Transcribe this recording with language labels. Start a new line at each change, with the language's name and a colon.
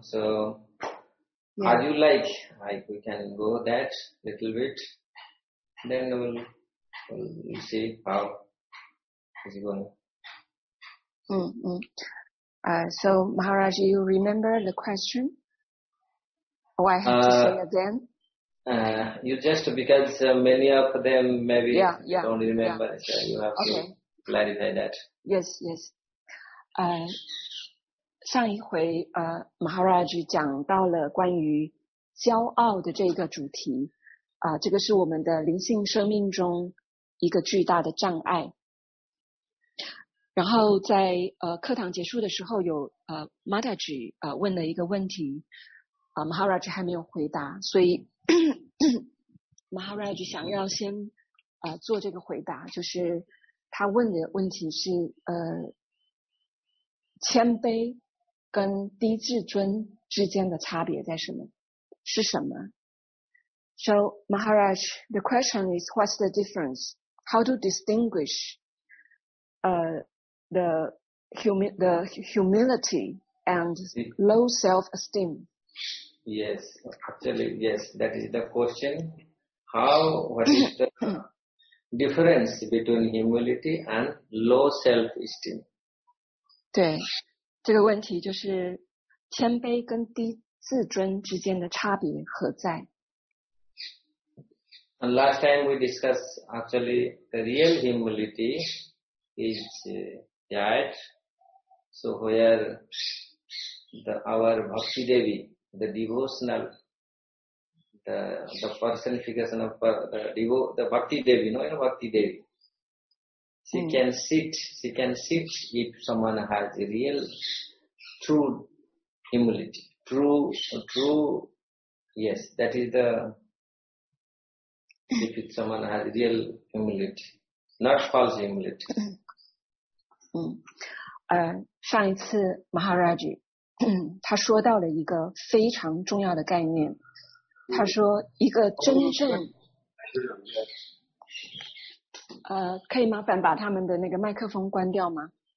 English: So, yeah. How do you like we can go that little bit, then we'll see how it's going. So, Maharaj, you remember the question? Oh, I have to say again? Many of them maybe don't remember, so you have to clarify that. Yes.
Chinese: 上一回Maharaj 讲到了关于骄傲的这个主题，这个是我们的灵性生命中一个巨大的障碍。然后在课堂结束的时候，有Maharaj问了一个问题，Maharaj 还没有回答，所以。 Maharaj 想要先做这个回答，就是他问的问题是谦卑跟低自尊之间的差别在什么？是什么？
English: So Maharaj, the question is what's the difference how to distinguish the humility and low self-esteem. Yes, actually, yes, that is the question. How, what is the difference between humility and low self-esteem?
Chinese: 对，这个问题就是谦卑跟低自尊之间的差别何在？
English: And last time we discussed, actually, the real humility is that, so where our Bhakti Devi, the devotional, the personification of the Bhakti Devi, you know Bhakti Devi? She can sit, if someone has a real, true humility. True, that is the, if someone has real humility, not false humility.
Chinese: 上一次 Maharaj 他说到了一个非常重要的概念，他说一个真正可以麻烦把他们的那个麦克风关掉吗？